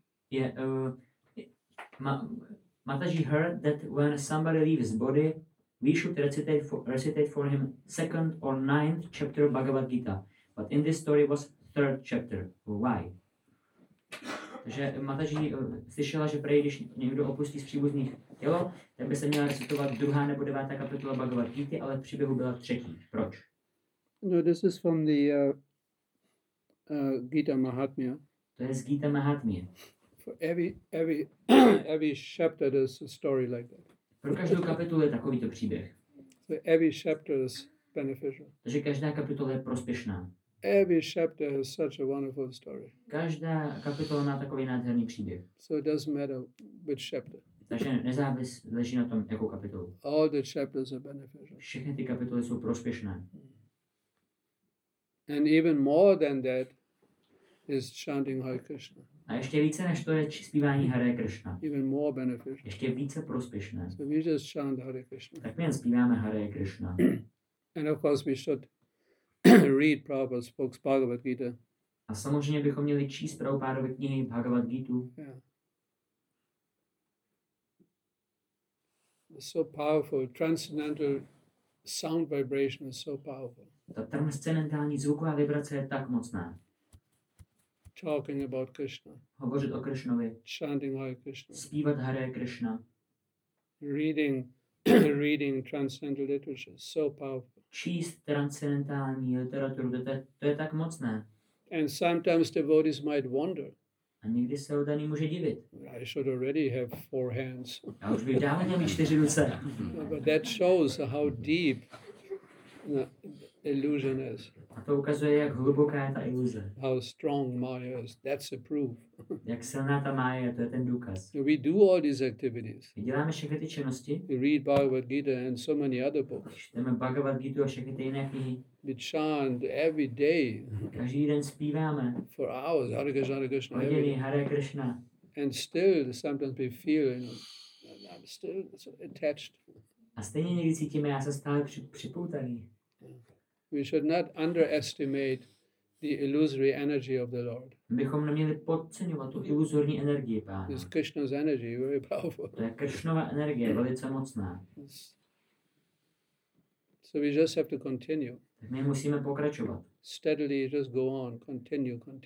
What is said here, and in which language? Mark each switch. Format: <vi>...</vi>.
<en>Mataji heard that when somebody leaves body, we should recitate for him 2nd or 9th chapter of Bhagavad Gita, but in this story was 3rd chapter. Why?</en> <cs>Že Mataji slyšela, že prej, když někdo opustí z příbuzných tělo, tak by se měla recitovat 2. nebo 9. kapitola Bhagavad Gita, ale v příběhu byla 3. Proč?</cs> <en>No, this is from the Gita Mahatmya.</en> <cs>To je z Gita Mahatmya.</cs> <en>For every chapter there's a story like that.</en> <cs>Pro každou kapitolu je takovýto příběh.</cs> <en>So every chapter is beneficial.</en> <cs>Takže každá kapitola je prospěšná.</cs> <en>Every chapter has such a wonderful story.</en> <cs>Každá kapitola má takový nádherný příběh.</cs> <en>So it doesn't matter which chapter.</en> <cs>Takže nezáleží na tom, jakou kapitolu.</cs> <en>All the chapters are beneficial.</en> <cs>Všechny ty kapitoly jsou prospěšné.</cs> <en>And even more than that is chanting Hare Krishna.</en> <cs>A ještě více než to je zpívání Hare Krishna.</cs> <en>Even more beneficial.</en> <cs>Ještě více prospěšné.</cs> <en>So we just chant Hare Krishna.</en> <cs>Tak my jen zpíváme Hare Krishna.</cs> <en>And of course we should read Prabhupada's books, Bhagavad Gita.</en> <cs>A samozřejmě bychom měli číst Prabhupádovy knihy Bhagavad Gita.</cs> <en>Yeah. It's so powerful. Transcendental sound vibration is so powerful.</en> <cs>Ta transcendentální zvuková vibrace je tak mocná.</cs> <en>Talking about Krishna.</en> <cs>Hovořit o Krishnovi.</cs> <en>Chanting Hare Krishna.</en> <cs>Zpívat Hare Krishna.</cs> <en>Reading transcendental literature, so powerful.</en> <cs>Číst transcendentální literaturu, to je tak mocné.</cs> <en>And sometimes devotees might wonder.</en> <cs>A někdy se oddaný může divit.</cs> <en>I should already have four hands.</en> <cs>Já už bych dávno měl mít čtyři ruce.</cs> <en>But that shows how deep illusion is.</en> <cs>A to ukazuje, jak hluboká je ta iluze.</cs> <en>How strong Maya is. That's a proof.</en> <cs>Jak silná ta Maya, to je ten důkaz.</cs> <en>We do all these activities.</en> <cs>My děláme všechny ty činnosti.</cs> <en>We read Bhagavad Gita and so many other books.</en> <cs>Čteme Bhagavad Gita a všechny ty jiné knihy.</cs> <en>We chant every day.</en> <cs>Každý den zpíváme.</cs> <en>For hours, Hare Krishna, Hare Krishna.</en> <cs>Hodiny,</cs> <en>every day.</en> <cs>Hare Krishna.</cs> <en>And still, sometimes we feel, you know, I'm still attached.</en> <cs>A stejně někdy cítíme, já se stále připoutaný.</cs> <en>We should not underestimate the illusory energy of the Lord.</en> <cs>Bychom neměli podceňovat tu iluzorní energii Pána.</cs> <en>It's Krishna's energy, very powerful.</en> <cs>To je Krishnova energie, velice mocná.</cs> <en>So we just have to continue.</en> <cs>My musíme pokračovat.</cs> <en>Steadily just go on, continue.</en>